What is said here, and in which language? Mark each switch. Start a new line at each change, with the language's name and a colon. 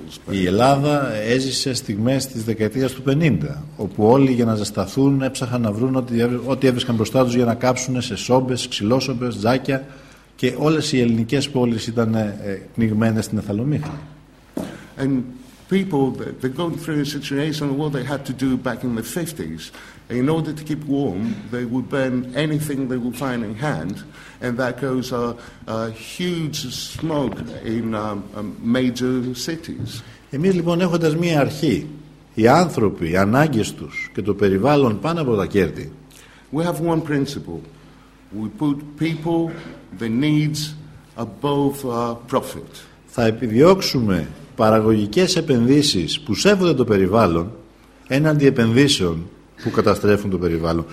Greek: Η Ελλάδα έζησε στιγμές της δεκαετίας του 50, όπου όλοι για να ζεσταθούν έψαχαν να βρουν ό,τι έβρισκαν μπροστά τους για να κάψουν σε σόμπες, ξυλόσομπες, τζάκια και όλες οι ελληνικές πόλεις ήταν πνιγμένες στην εθαλομύχνη.
English: And people, they're going through a situation of what they had to do back in the 50s. In order to keep warm, they would burn anything they would find in hand, and that caused a huge smoke in major cities.
Greek: Εμείς λοιπόν έχοντας μία αρχή, οι άνθρωποι, οι ανάγκες τους και το περιβάλλον πάνω από τα κέρδη.
English: We have one principle. We put people, the needs, above profit.
Greek: Θα επιδιώξουμε παραγωγικές επενδύσεις που σέβονται το περιβάλλον έναντι επενδύσεων που καταστρέφουν το περιβάλλον.